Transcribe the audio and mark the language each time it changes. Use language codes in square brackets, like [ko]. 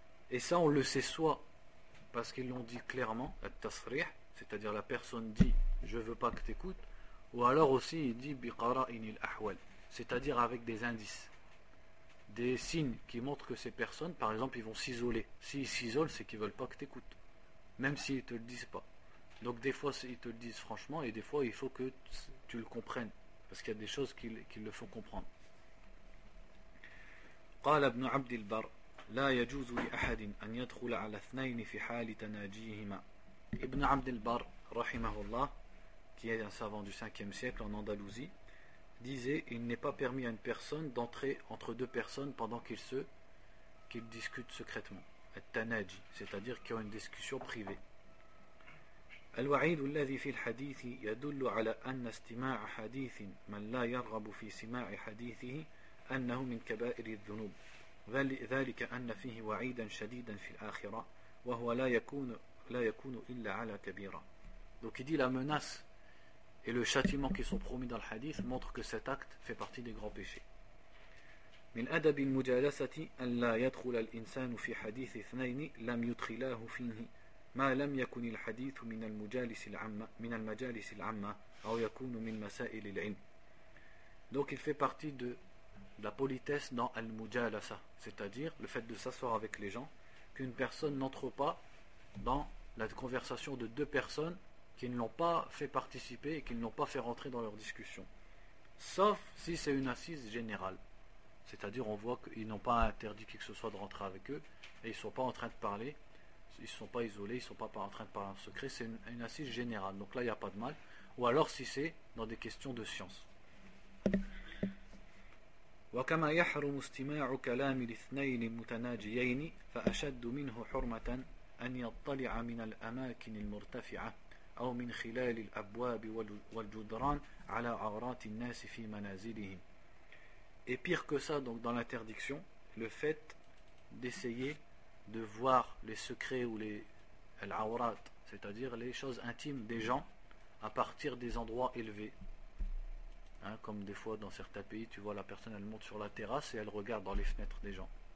[fr] Et ça, on le sait soit parce qu'ils l'ont dit clairement, at-tasrih, c'est-à-dire la personne dit « je veux pas que t'écoutes », ou alors aussi il dit « [ar] biqara'in il-ahwal [fr] », c'est-à-dire avec des indices, des signes qui montrent que ces personnes, par exemple, ils vont s'isoler. S'ils s'isolent, c'est qu'ils veulent pas que t'écoutes, même s'ils te le disent pas. Donc des fois, ils te le disent franchement, et des fois, il faut que tu le comprennes, parce qu'il y a des choses qui le font comprendre. [ar] « Qala ibn Abdil Barr » لا يجوز لأحد أن يدخل على اثنين في حال تناجيهما. [fr] ابن عبد البر رحمه الله, qui est un savant du 5e siècle en Andalousie, disait: il n'est pas permis à une personne d'entrer entre deux personnes pendant qu'ils discutent secrètement. التناجي, c'est-à-dire qu'ils ont une discussion privée. [ar] الوعيد الذي في الحديث يدل على أن استماع حديث من لا يرغب في سماع حديثه أنه من كبائر الذنوب. ذلك أن فيه وعيدا شديدا في الآخرة وهو لا يكون إلا على كبيرة. [fr] Donc il dit la menace et le châtiment qui sont promis dans le hadith montrent que cet acte fait partie des grands péchés. [ar] من أدب المجالسة أن لا يدخل الإنسان في حديث اثنين لم يدخلاه فيه ما لم يكن الحديث من المجالس العامة أو يكون من مسائل العلم. [fr] Donc il fait partie de la politesse dans al-mujalasa, c'est-à-dire le fait de s'asseoir avec les gens, qu'une personne n'entre pas dans la conversation de deux personnes qui ne l'ont pas fait participer et qui ne l'ont pas fait rentrer dans leur discussion, sauf si c'est une assise générale, c'est-à-dire on voit qu'ils n'ont pas interdit qui que ce soit de rentrer avec eux et ils ne sont pas en train de parler, ils ne sont pas isolés, ils ne sont pas en train de parler en secret, c'est une assise générale, donc là il n'y a pas de mal, ou alors si c'est dans des questions de science. [ar] وكما يحرم استماع كلام الاثنين المتناجيين فأشد منه حرمة أن يطلع من الأماكن المرتفعة أو من خلال الأبواب والجدران على عورات الناس في منازلهم. [fr] Et pire que ça, donc dans l'interdiction, le fait d'essayer de voir les secrets ou les aurat, c'est-à-dire les choses intimes des gens à partir des endroits élevés. Hein, comme des fois dans certains pays, tu vois la personne, elle monte sur la terrasse et elle regarde dans les fenêtres des gens.